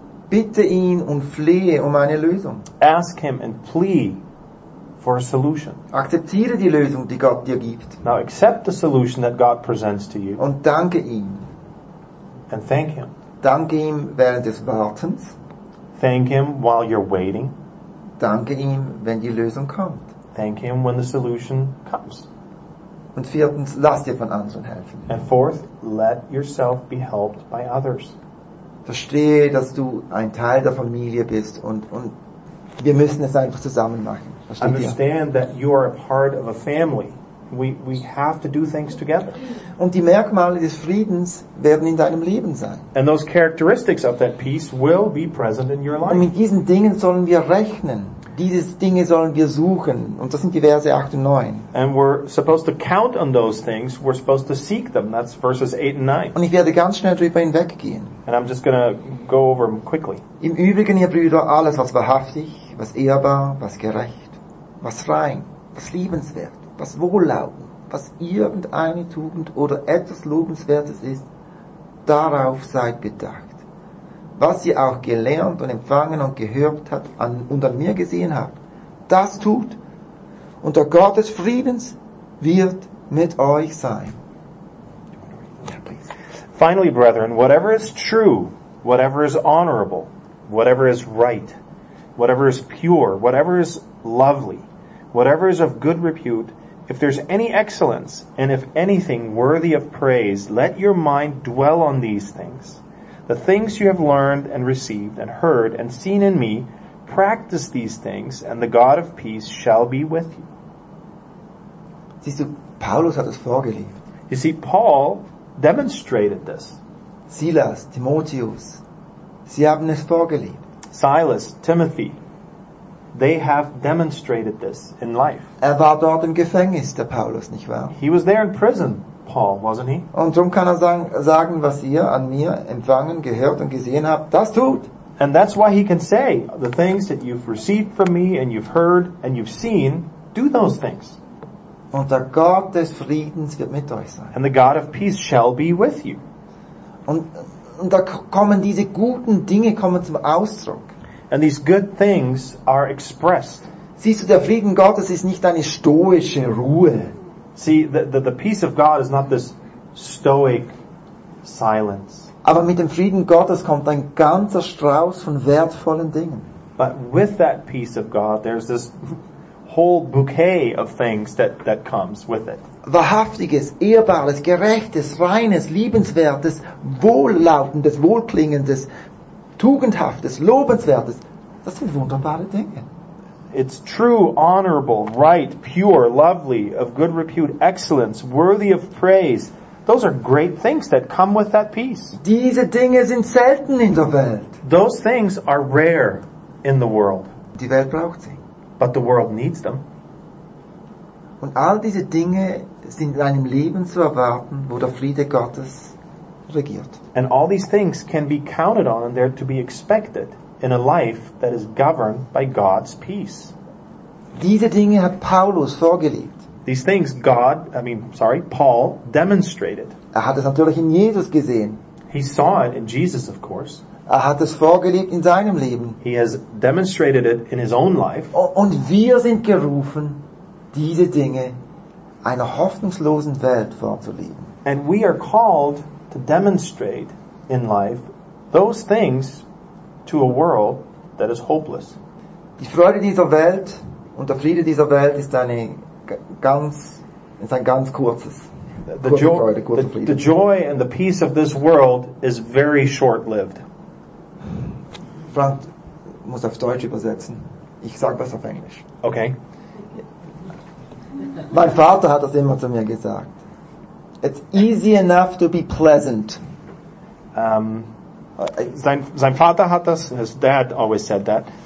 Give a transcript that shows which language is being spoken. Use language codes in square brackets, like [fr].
[de] Bitte ihn und flehe um eine Lösung. [en] Ask him and plea for a solution. [de] Akzeptiere die Lösung, die Gott dir gibt. [en] Now accept the solution that God presents to you. [de] Und danke ihm. [en] And thank him. [de] Danke ihm während des Wartens. [en] Thank him while you're waiting. [de] Danke ihm, wenn die Lösung kommt. [en] Thank him when the solution comes. [de] Und viertens, lass dir von anderen helfen. [en] And fourth, let yourself be helped by others. [de] Verstehe, dass du ein Teil der Familie bist und wir müssen es einfach zusammen machen. Versteht [en] Understand [de] ihr? [en] That you are a part of a family. We have to do things together. [de] Und die Merkmale des Friedens werden in deinem Leben sein. [en] And those characteristics of that peace will be present in your life. [de] Und mit diesen Dingen sollen wir rechnen. Diese Dinge sollen wir suchen. Und das sind die Verse 8 und 9. [en] And we're supposed to count on those things. We're supposed to seek them. That's verses 8 and 9. [de] Und ich werde ganz schnell drüber hinweggehen. [en] And I'm just going to go over them quickly. [de] Im Übrigen, ihr Brüder, alles, was wahrhaftig, was ehrbar, was gerecht, was rein, was liebenswert, was wohllautend, was irgendeine Tugend oder etwas Lobenswertes ist, darauf seid bedacht. Was ihr auch gelernt und empfangen und gehört habt und an mir gesehen habt, das tut. Und der Gott des Friedens wird mit euch sein. [en] Finally, brethren, whatever is true, whatever is honorable, whatever is right, whatever is pure, whatever is lovely, whatever is of good repute, if there's any excellence and if anything worthy of praise, let your mind dwell on these things. The things you have learned and received and heard and seen in me, practice these things and the God of peace shall be with you. [de] Siehst du, Paulus hat es vorgelebt. [en] You see, Paul demonstrated this. [de] Silas, Timotheus, sie haben es vorgelebt. [en] Silas, Timothy, they have demonstrated this in life. [de] Er war dort im Gefängnis, der Paulus, nicht wahr? [en] He was there in prison. Paul, wasn't he? [de] Und darum kann er sagen, was ihr an mir empfangen, gehört und gesehen habt, das tut. [en] And that's why he can say, the things that you've received from me and you've heard and you've seen, do those things. [de] Und der Gott des Friedens wird mit euch sein. [en] And the God of peace shall be with you. [de] Und da kommen diese guten Dinge kommen zum Ausdruck. [en] And these good things are expressed. [de] Siehst du, der Frieden Gottes ist nicht eine stoische Ruhe. [en] See, the peace of God is not this stoic silence. [de] Aber mit dem Frieden Gottes kommt ein ganzer Strauß von wertvollen Dingen. [en] But with that peace of God, there's this whole bouquet of things that comes with it. [de] Wahrhaftiges, ehrbares, gerechtes, reines, liebenswertes, wohllautendes, wohlklingendes, tugendhaftes, lobenswertes. Das sind wunderbare Dinge. [en] It's true, honorable, right, pure, lovely, of good repute, excellence, worthy of praise. Those are great things that come with that peace. [de] Diese Dinge sind selten in der Welt. [en] Those things are rare in the world. [de] Die Welt braucht sie. [en] But the world needs them. [de] Und all diese Dinge sind in einem Leben zu erwarten, wo der Friede Gottes regiert. [en] And all these things can be counted on and they're to be expected. In a life that is governed by God's peace. [de] Diese Dinge hat Paulus vorgelebt. [en] These things Paul demonstrated. [de] Er hat es natürlich in Jesus gesehen. [en] He saw it in Jesus, of course. [de] Er hat es vorgelebt in seinem Leben. [en] He has demonstrated it in his own life. [de] Und wir sind gerufen, diese Dinge einer hoffnungslosen Welt vorzuleben. [en] And we are called to demonstrate in life those things to a world that is hopeless. [de] Die Freude dieser Welt und der Friede dieser Welt ist eine ganz, ist ein ganz kurzes. [en] The joy and the peace of this world is very short-lived. [de] Frank muss auf Deutsch übersetzen. Ich sage das auf Englisch. [en] Okay. [de] Mein Vater hat das immer zu mir gesagt. [en] It's easy enough to be pleasant. [de] Sein Vater hat das, [en] his dad always said that.